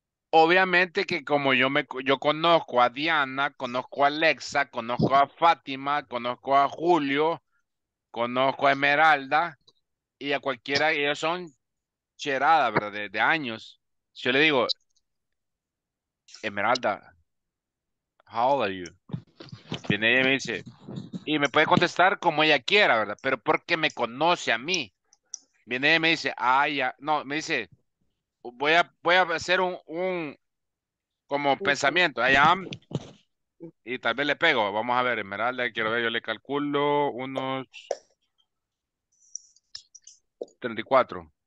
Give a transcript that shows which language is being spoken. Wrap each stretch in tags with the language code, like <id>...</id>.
<es>Obviamente que como yo conozco a Diana, conozco a Alexa, conozco a Fátima, conozco a Julio, conozco a Esmeralda y a cualquiera, ellos son cheradas, ¿verdad? De años. Yo le digo, Esmeralda,</es> <en>how old are you?</en> <es>Viene ella y me dice, y me puede contestar como ella quiera, ¿verdad? Pero porque me conoce a mí. Viene ella y me dice, ay, ah, no, me dice, voy a hacer un como pensamiento,</es> <en>I am,</en> <es>y tal vez le pego, vamos a ver, Esmeralda, quiero ver, yo le calculo unos 34.</es>